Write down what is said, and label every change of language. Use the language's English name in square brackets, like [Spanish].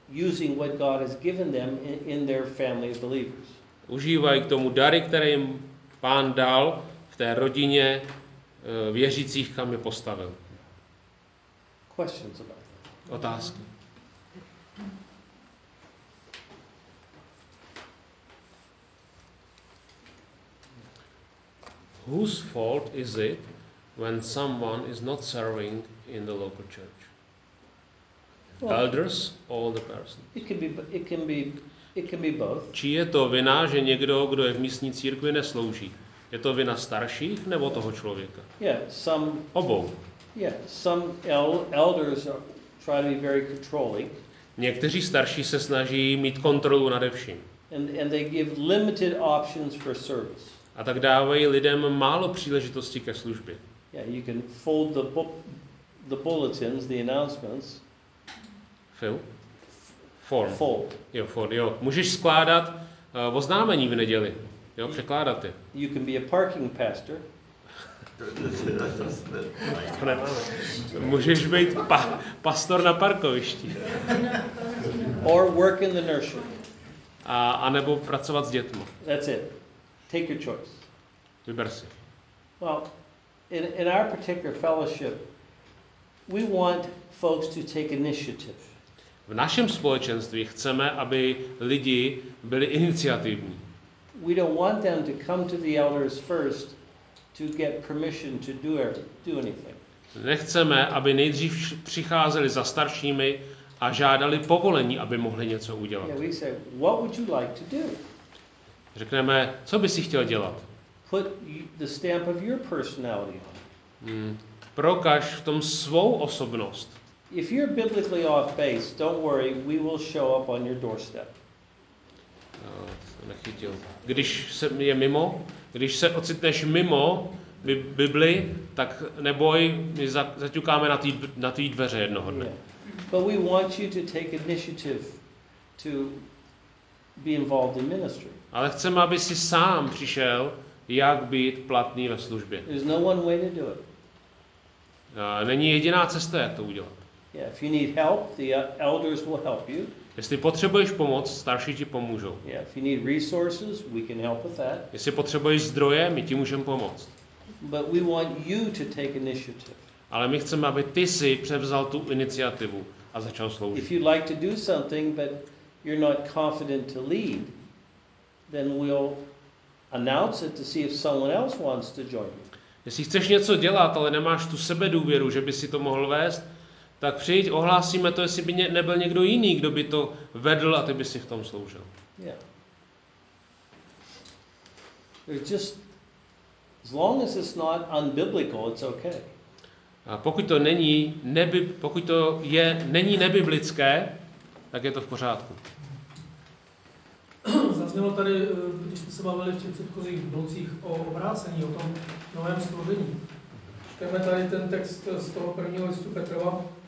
[English] Using what God has given them in their family of believers. [Czech] Užívají k tomu dary, které jim Pán dal v té rodině věřících, kam je postavil. [English] Questions about that. [Czech] Otázky. [English] Whose fault is it when someone is not serving in the local church? Well, elders or the person? It can be both. [Czech] Či je to vina, že někdo, kdo je v místní církvi, neslouží? Je to vina starších nebo toho člověka? [English] Yeah, some. [Czech] Obou. [English] Yeah, some elders try to be very controlling. [Czech] Někteří starší se snaží mít kontrolu nad vším. [English] And they give limited options for service. [Czech] A tak dávají lidem málo příležitosti ke službě. [English] Yeah, you can fold the bulletins, the announcements. Phil? Fold. [Czech] Můžeš skládat oznámení v neděli. Jo, překládat je. [English] You can be a parking pastor. [Czech] To nemáme. Můžeš být pastor na parkovišti. [English] Or work in the nursery. [Czech] A nebo pracovat s dětmi. [English] That's it. Take your choice. [Czech] Vyber si. [English] Well, in our particular fellowship, we want folks to take initiative. [Czech] V našem společenství chceme, aby lidi byli iniciativní. [English] We don't want them to come to the elders first to get permission to do anything. [Czech] Nechceme, aby nejdřív přicházeli za staršími a žádali povolení, aby mohli něco udělat. [English] Yeah, we say, what would you like to do? [Czech] Řekneme, co bys si chtěl dělat? [English] Put the stamp of your personality on. [Czech] Prokaž v tom svou osobnost. [English] If you're biblically off base, don't worry, we will show up on your doorstep. [Czech] Nechytil. Když se je mimo, když se ocitneš mimo Bibli, tak neboj, my zaťukáme na tý dveře jednoho dne. [English] Yeah. But we want you to take initiative to be involved in ministry. [Czech] Ale chceme, aby si sám přišel, jak být platný ve službě. [English] There's no one way to do it. [Czech] Není jediná cesta, jak to udělat. [English] Yeah, if you need help, the elders will help you. [Czech] Jestli potřebuješ pomoc, starší ti pomůžou. [English] Yeah, if you need resources, we can help with that. [Czech] Jestli potřebuješ zdroje, my ti můžeme pomoct. [English] But we want you to take initiative. [Czech] Ale my chceme, aby ty si převzal tu iniciativu a začal sloužit. [English] If you'd like to do something, but you're not confident to lead, then we'll announce it to see if someone else wants to join you. [Czech] Jestli chceš něco dělat, ale nemáš tu sebedůvěru, že by si to mohl vést, tak přijď, ohlásíme to, jestli by nebyl někdo jiný, kdo by to vedl a ty by si v tom sloužil. [English] Yeah. Just, as long as it's not unbiblical, it's okay. [Czech] A pokud to není není nebiblické, tak je to v pořádku. Zaznělo tady, když jsme se bavili v těch předchozích blocích o obrácení, o tom novém stvoření. Čteme tady ten text z toho prvního listu Petrova.